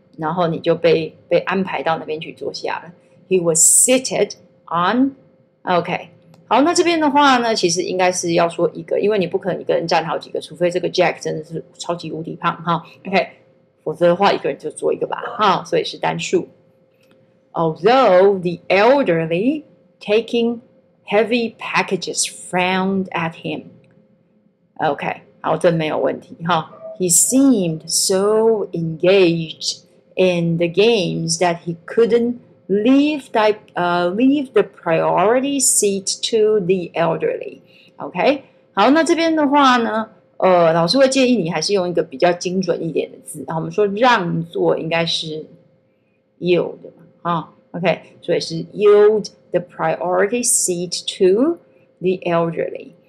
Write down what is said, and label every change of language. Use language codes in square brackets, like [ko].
[zh] 然后你就被安排到那边去坐下了。 [en] He was seated on. [zh] OK， 好，那这边的话呢，其实应该是要说一个，因为你不可能一个人站好几个，除非这个 Jack 真的是超级无敌胖哈。 OK， 否则的话一个人就坐一个吧哈，所以是单数。 [en] Although the elderly taking heavy packages frowned at him. [zh] OK， 好，这没有问题哈。 [en] He seemed so engaged. In the games that he couldn't leave the priority seat to the elderly. [zh] OK， 好，那这边的话呢，老师会建议你还是用一个比较精准一点的字。我们说让座应该是 yield 嘛，啊 ，OK， 所以是 [en] yield the priority seat to the elderly.